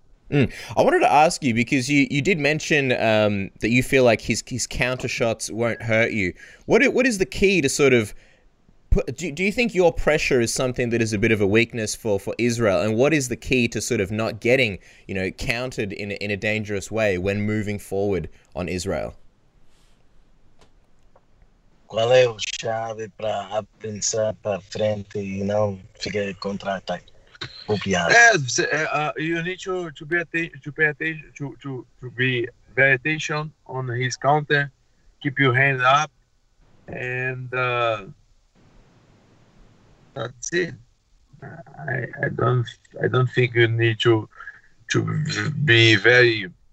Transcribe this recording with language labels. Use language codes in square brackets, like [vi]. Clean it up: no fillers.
[en] I wanted to ask you, because you did mention that you feel like his counter shots won't hurt you. What is the key to sort of put, do you think your pressure is something that is a bit of a weakness for Israel, and what is the key to sort of not getting, you know, countered in a dangerous way when moving forward on Israel? [pt] Qual é a chave para pensar para frente e não ficar contra ataque? [en] Yes, you need to be very attention on his counter. Keep your hand up, and that's it. I don't think you need to be very